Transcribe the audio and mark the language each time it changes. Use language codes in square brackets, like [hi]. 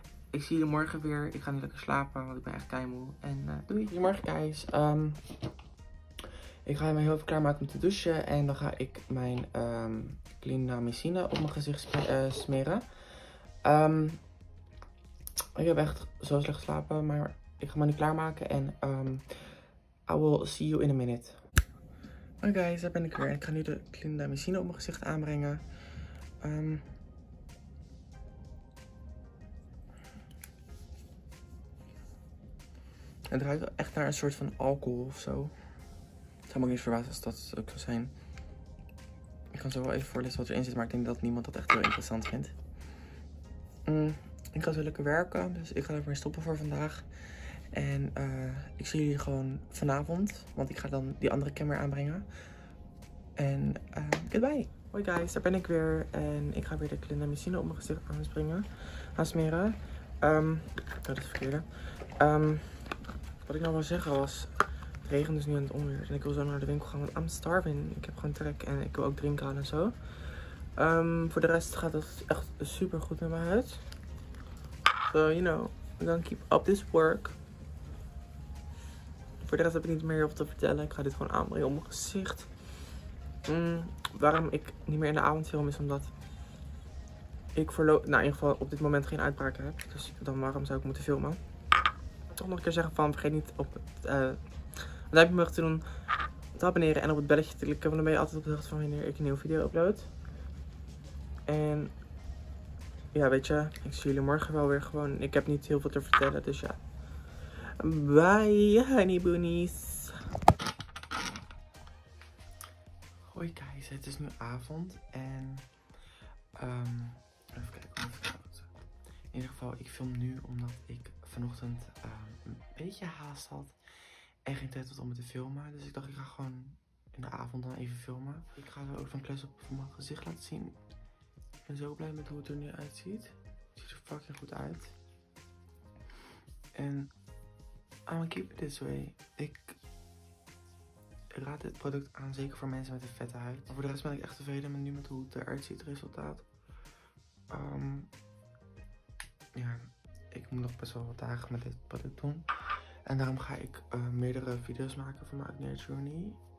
[nl] Ik zie jullie morgen weer. Ik ga nu lekker slapen, want ik ben echt keimoe. En doei! Goedemorgen, guys. Ik ga me heel even klaarmaken om te douchen. En dan ga ik mijn clindamycine op mijn gezicht smeren. Ik heb echt zo slecht geslapen. Maar ik ga me nu klaarmaken. [en] En I will see you in a minute. [nl] Oké, guys, daar ben ik weer. Ik ga nu de clindamycine op mijn gezicht aanbrengen. Het ruikt echt naar een soort van alcohol of zo. Het zou me ook niet verbazen als dat ook zou zijn. Ik kan zo wel even voorlezen wat erin zit, maar ik denk dat niemand dat echt heel interessant vindt. Ik ga zo lekker werken, dus ik ga er maar stoppen voor vandaag. En ik zie jullie gewoon vanavond, want ik ga dan die andere cam weer aanbrengen. En goodbye! Hoi guys, daar ben ik weer. En ik ga weer de clindamycine op mijn gezicht aansmeren. Dat is het verkeerde. Wat ik nou wil zeggen was, het regent dus nu aan het onweer. En ik wil zo naar de winkel gaan, want [en] I'm starving. [nl] Ik heb gewoon trek en ik wil ook drinken aan en zo. Voor de rest gaat het echt super goed met mijn huid. [en] So, you know, I'm gonna keep up this work. [nl] Voor de rest heb ik niet meer over te vertellen. Ik ga dit gewoon aanbrengen op mijn gezicht. Waarom ik niet meer in de avond film is omdat ik in ieder geval op dit moment geen uitbraken heb. Dus dan waarom zou ik moeten filmen? Toch nog een keer zeggen van vergeet niet op het duimpje omhoog te doen, te abonneren en op het belletje te klikken. Want dan ben je altijd op de hoogte van wanneer ik een nieuwe video upload. En ja, weet je, ik zie jullie morgen wel weer gewoon. Ik heb niet heel veel te vertellen, dus ja. [en] Bye, honey boonies. [nl] Hoi guys, het is nu avond en even kijken hoe het gaat. In ieder geval, ik film nu omdat ik vanochtend een beetje haast had en geen tijd had om het te filmen. Dus ik dacht, ik ga gewoon in de avond dan even filmen. Ik ga ook van klus op mijn gezicht laten zien. Ik ben zo blij met hoe het er nu uitziet. Het ziet er fucking goed uit. [en] En I'm gonna keep it this way. [nl] Ik raad dit product aan, zeker voor mensen met een vette huid. Maar voor de rest ben ik echt tevreden met nu met hoe het eruit ziet, het resultaat. Ja, ik moet nog best wel wat dagen met dit product doen. En daarom ga ik meerdere video's maken van mijn acne journey.